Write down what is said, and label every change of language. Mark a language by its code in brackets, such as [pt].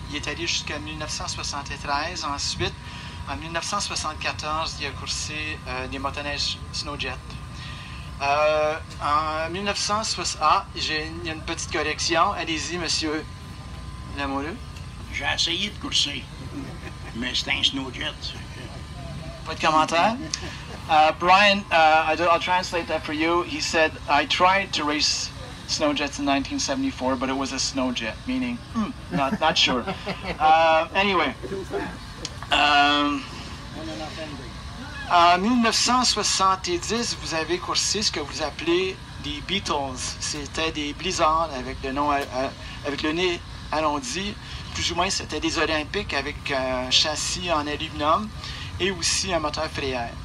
[fr] Il est allé jusqu'en 1973. Ensuite, en 1974, il a coursé des motoneiges Snowjet. Il y a une petite correction. Allez-y, monsieur Lamoureux. J'ai essayé de courser, mais c'était un Snowjet. Pas de commentaire? [en] Brian, I'll translate that for you. He said, I tried to race Snowjets in 1974, but it was a Snowjet, meaning not sure. [fr] Anyway, en 1970, vous avez coursé ce que vous appelez des Beatles. C'était des blizzards avec le nom, avec le nez arrondi. Plus ou moins, c'était des Olympiques avec un châssis en aluminium et aussi un moteur frayeur.